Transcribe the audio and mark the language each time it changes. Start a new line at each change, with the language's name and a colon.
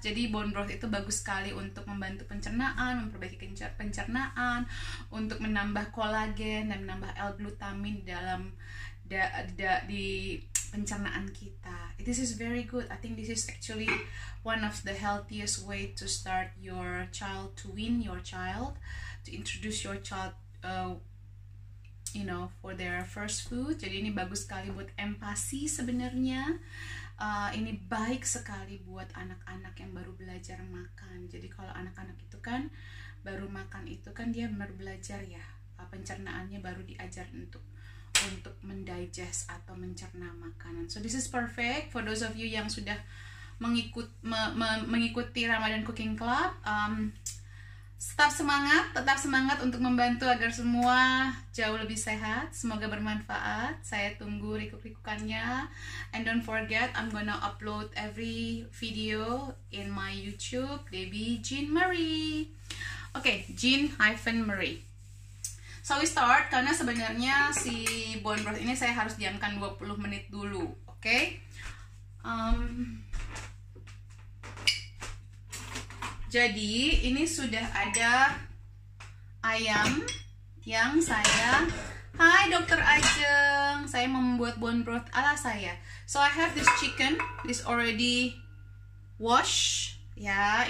Indonesian: Jadi bone broth itu bagus sekali untuk membantu pencernaan, memperbaiki pencernaan, untuk menambah kolagen dan menambah L-glutamin dalam di pencernaan kita.
English: This is very good. I think this is actually one of the healthiest way to start your child, to wean your child, to introduce your child you know, for their first food.
Indonesian: Jadi ini bagus sekali buat empati sebenarnya. Ini baik sekali buat anak-anak yang baru belajar makan. Jadi kalau anak-anak itu kan baru makan itu kan dia baru belajar ya. Pencernaannya baru diajar untuk mendigest atau mencerna makanan.
English: So this is perfect for those of you
Indonesian: yang sudah mengikuti
English: Ramadan Cooking Club.
Indonesian: Tetap semangat untuk membantu agar semua jauh lebih sehat. Semoga bermanfaat. Saya tunggu rekuk-rekukannya.
English: And don't forget, I'm gonna upload every video in my YouTube, Debbie Jean Marie. Okay, Jean-Marie. So we start,
Indonesian: karena sebenarnya si bone broth ini saya harus diamkan 20 menit dulu. Okay? Jadi ini sudah ada ayam yang saya, hi Dr. Ajeng, saya membuat bone broth ala saya.
English: So I have this chicken, this already wash ya.